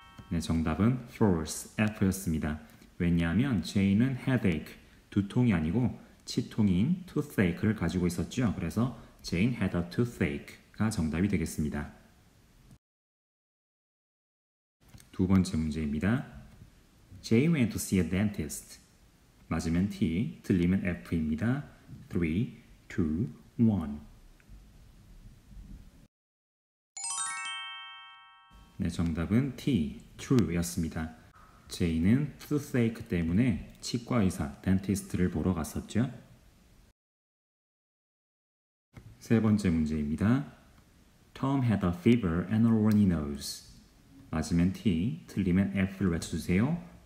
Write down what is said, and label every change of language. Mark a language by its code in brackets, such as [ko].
[ko] Jane 정답은 false, F였습니다. 왜냐하면 Jane은 headache, 두통이 아니고 치통인 toothache를 가지고 있었죠. 그래서 [en] Jane had a toothache가 [ko] 정답이 되겠습니다. 두 번째 문제입니다. [en] Jay went to see a dentist. [ko] 맞으면 T, 틀리면 F입니다. 3, 2, 1. 네, 정답은 T, true였습니다. Jay는 toothache 때문에 치과의사, dentist를 보러 갔었죠. 세 번째 문제입니다. [en] Tom had a fever and a runny nose. [ko] 맞으면 T, 틀리면 F를 외쳐주세요.